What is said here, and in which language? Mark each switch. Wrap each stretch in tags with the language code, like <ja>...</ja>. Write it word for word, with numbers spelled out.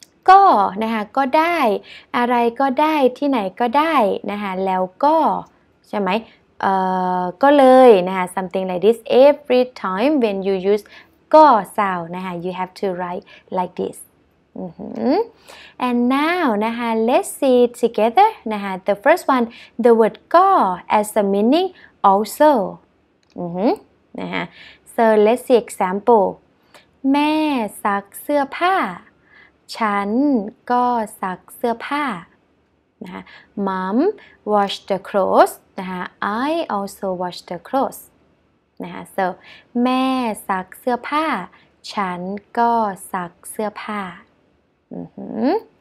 <th>ก็นะคะก็ได้อะไรก็ได้ที่ไหนก็ได้นะคะแล้วก็ใช่ไหมเอ่อก็เลยนะคะ</th> <en>something like this every time when you use ก็ sound นะคะ you have to write like this</en> <th>Mm-hmm.</th> <en>And now, nah, let's see together. Nah, the first one, the word ก็ as the meaning also. Mm-hmm. Nah, so let's see example.</en> <th>แม่ซักเสื้อผ้า ฉันก็ซักเสื้อผ้า</th> <en>nah, Mom wash the clothes. Nah, I also wash the clothes. Nah, so</en> <th>แม่ซักเสื้อผ้า ฉันก็ซักเสื้อผ้าMm-hmm.</th>